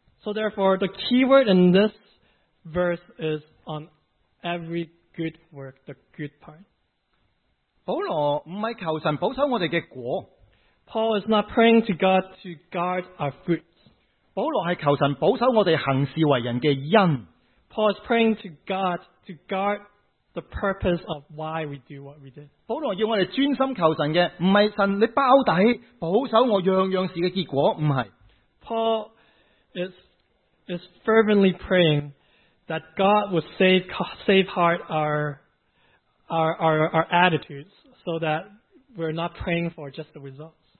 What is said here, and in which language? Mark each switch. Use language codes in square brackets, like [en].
[en] So therefore, the keyword in this verse is on every good work, the good part. [zh] 保罗不是求神保守我们的果。 [en] Paul is not praying to God to guard our fruits. [zh] 保罗是求神保守我们行事为人的因。 [en] Paul is praying to God to guard the purpose of why we do what we did. [zh] 保罗要我们专心求神的,不是神你包底,保守我样样事的结果,不是。 [en] Paul is fervently praying that God will save heart our attitudes so that we're not praying for just the results.